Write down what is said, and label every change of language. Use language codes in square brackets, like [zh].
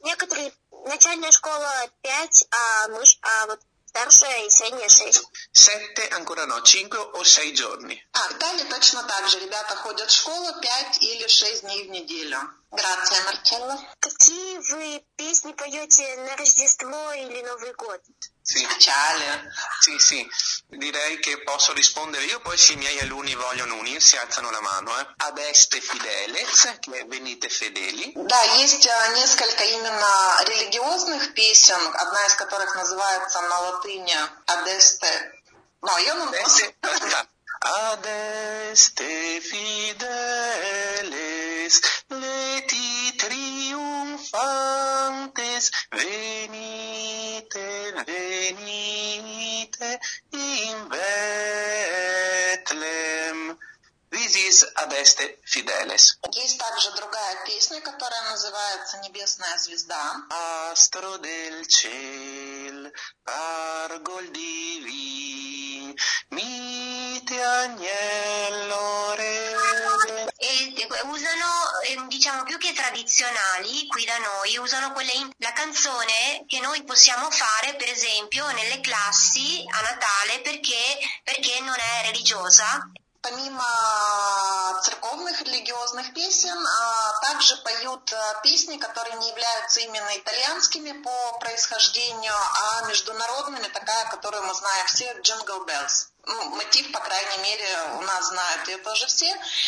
[ru] Некоторые начальная школа 5, а вот старшая и средняя 6. [it] 7, ancora no, 5 o 6 giorni. [ru] А в Италии точно так же. Ребята ходят в школу 5 или 6 дней в неделю. [it] Grazie, Marcello. [ru] Какие вы песни поете на Рождество или Новый год? [it] Sì, Natale. Sì, sì. Direi che posso rispondere io, poi se i miei alunni vogliono unirsi, alzano la mano, eh. [la] Adeste fideles, [it] che venite fedeli. [ru] Да, есть несколько именно религиозных песен, одна из которых называется на латыни Adeste. Ну, а я нам [la] Adeste fideles, leti triumphantes, venite, venite in Bethlehem. [en] This is Adeste fideles. [ru] Есть также другая песня, которая называется «Небесная звезда». [it] Astro del ciel, pargol divin, mite agnello rebe. Usano, diciamo, più che tradizionali qui da noi, usano quelle la canzone che noi possiamo fare, per esempio, nelle classi a Natale, perché non è religiosa. [ru] Помимо церковных религиозных песен, также поют песни, которые не являются именно итальянскими по происхождению, а международными, такая, которую мы знаем все, Jingle Bells. Ну, мотив, по крайней мере, у нас знают ее тоже все.